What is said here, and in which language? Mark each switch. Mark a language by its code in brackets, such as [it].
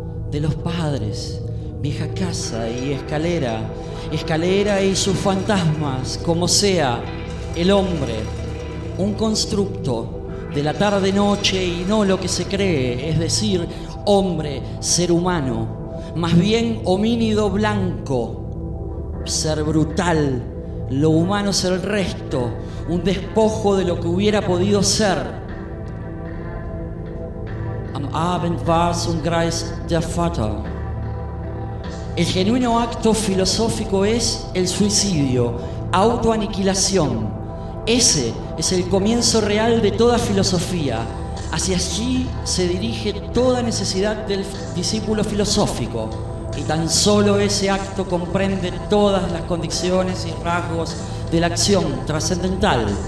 [es] De los padres, vieja casa y escalera, escalera y sus fantasmas, como sea, el hombre, un constructo de la tarde-noche y no lo que se cree, es decir, hombre, ser humano, más bien homínido blanco, ser brutal, lo humano es el resto, un despojo de lo que hubiera podido ser. [de] Abend war's und Greis der Vater. [es] El genuino acto filosófico es el suicidio, autoaniquilación. Ese es el comienzo real de toda filosofía. Hacia allí se dirige toda necesidad del discípulo filosófico. Y tan solo ese acto comprende todas las condiciones y rasgos de la acción trascendental.